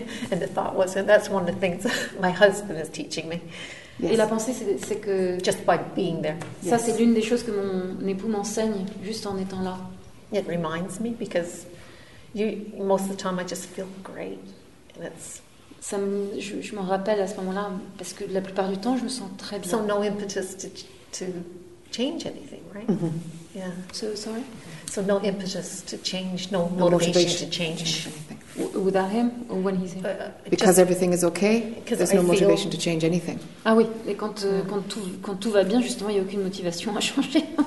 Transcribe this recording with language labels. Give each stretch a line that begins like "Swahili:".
English: And the thought was, and that's one of the things my husband is teaching me.
French: Yes. Et la pensée, c'est que...
English: Just by being there.
French: Ça, c'est l'une des choses que mon époux m'enseigne, juste en étant là.
English: It reminds me, because most of the time, I just feel great. And it's...
French: Je m'en rappelle à ce moment-là, parce que la plupart du temps, je me sens très bien.
English: So no impetus to change anything, right? Mm-hmm. Yeah. So, sorry? So no impetus to change, no motivation to change anything. Without him or when he's here? Because everything is okay, there's no motivation to change anything.
French: Ah oui, et quand tout va bien, justement, il n'y a aucune motivation à changer.